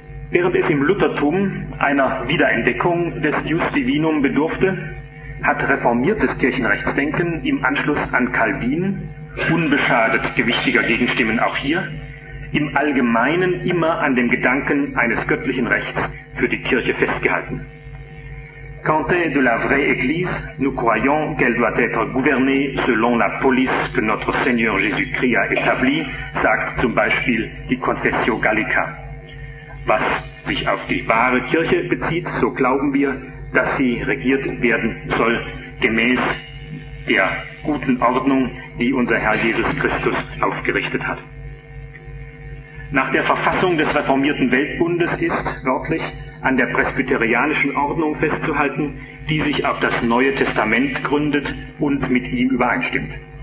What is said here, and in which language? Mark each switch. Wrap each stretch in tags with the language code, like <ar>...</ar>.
<de>Während es im Luthertum einer Wiederentdeckung des Jus Divinum bedurfte, hat reformiertes Kirchenrechtsdenken im Anschluss an Calvin, unbeschadet gewichtiger Gegenstimmen auch hier, im Allgemeinen immer an dem Gedanken eines göttlichen Rechts für die Kirche festgehalten.</de> <fr>Quant est de la vraie Église, nous croyons qu'elle doit être gouvernée selon la police que notre Seigneur Jésus-Christ a établie,</fr> <de>sagt zum Beispiel die Confessio Gallica. Was sich auf die wahre Kirche bezieht, so glauben wir, dass sie regiert werden soll, gemäß der guten Ordnung, die unser Herr Jesus Christus aufgerichtet hat. Nach der Verfassung des reformierten Weltbundes ist, wörtlich, an der presbyterianischen Ordnung festzuhalten, die sich auf das Neue Testament gründet und mit ihm übereinstimmt.</de>